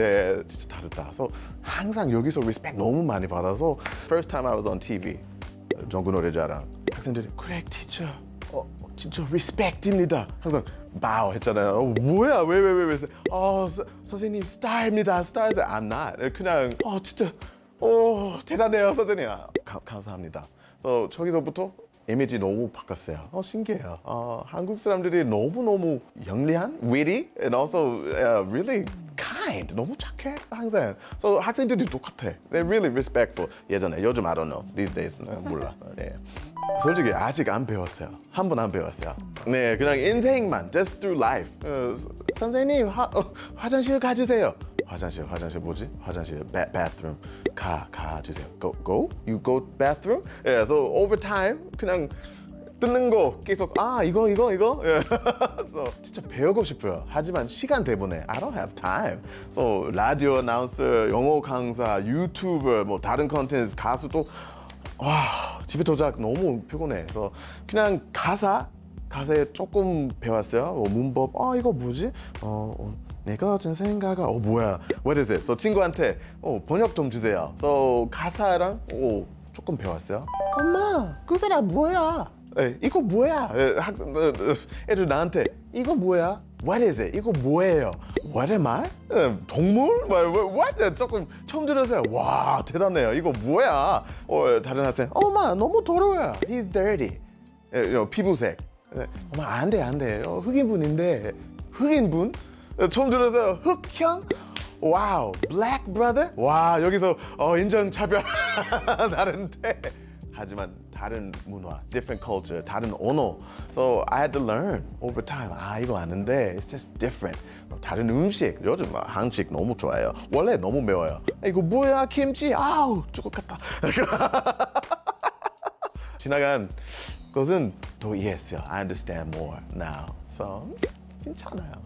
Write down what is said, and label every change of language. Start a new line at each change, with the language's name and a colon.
Korean: 예, 진짜 다르다. 그래서 항상 여기서 리스펙 너무 많이 받아서
English: first time I was on TV
Korean: 정구 노래자랑 학생들이 그래 티처 진짜 리스펙입니다. 항상 bow 했잖아요. 뭐야 왜 선생님 스타입니다. 스타에서
English: I'm not
Korean: 그냥 진짜 대단해요 선생님. 감사합니다. 그래서 저기서부터 이미지 너무 바꿨어요. 신기해요. 한국 사람들이 너무 영리한,
English: witty, and also really kind.
Korean: 너무 착해 항상.
English: So
Korean: 학생들도 똑같아.
English: They're really respectful.
Korean: 예전에 요즘
English: I don't know. These days
Korean: 몰라. 네. 솔직히 아직 안 배웠어요. 한 번 안 배웠어요. 네, 그냥 인생만
English: just through life.
Korean: 선생님 화장실 가주세요. 화장실 뭐지? 화장실
English: bathroom
Korean: 가 주세요.
English: Go you go bathroom. Yeah, so over time
Korean: 그냥 듣는 거 계속 이거
English: yeah. So
Korean: 진짜 배우고 싶어요. 하지만 시간 대부분에
English: I don't have time. So
Korean: 라디오 아나운서, 영어 강사, 유튜버 뭐 다른 컨텐츠 가수도 와 집에 도착 너무 피곤해. 그래서 그냥 가사에 조금 배웠어요. 뭐 문법 이거 뭐지? 내 거친 생각아. 어 뭐야?
English: What is it? So
Korean: 친구한테 어 번역 좀 주세요.
English: So
Korean: 가사랑 어 조금 배웠어요. 엄마, 그게 뭐야? 에 이거 뭐야? 학생 애들 나한테 이거 뭐야?
English: What is it?
Korean: 이거 뭐예요?
English: What am I?
Korean: 동물?
English: What?
Korean: 조금 처음 들으세요. 와 대단해요. 이거 뭐야? 어 다른 학생 엄마 너무 더러워요.
English: He's dirty.
Korean: 피부색. 엄마 안돼 안돼. 흑인분인데 흑인분? 처음 들어서 흑형?
English: 와우, black brother?
Korean: 와, 여기서 인종차별 다른데. 하지만 다른 문화,
English: different culture,
Korean: 다른 언어.
English: So I had to learn over time.
Korean: 아, 이거 아는데,
English: it's just different.
Korean: 다른 음식, 요즘 한식 너무 좋아해요. 원래 너무 매워요. 이거 뭐야, 김치? 아우, 죽을 것 같다. 지나간 것은 더 이해했어요.
English: I understand more now. So
Korean: 괜찮아요.